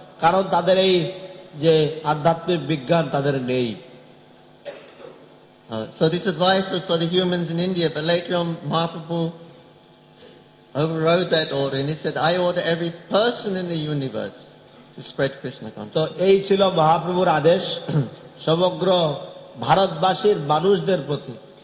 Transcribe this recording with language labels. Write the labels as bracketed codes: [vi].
[bn] Karon Tader Ei যে আধ্যাত্মিক বিজ্ঞান তাদের নেই। [en] So this advice was for the humans in India, but later on Mahaprabhu overrode that order and he said, I order every person in the universe to spread Krishna consciousness. [bn] তো এই ছিল মহাপ্রভুর আদেশ সমগ্র ভারতবাসীর মানুষদের প্রতি।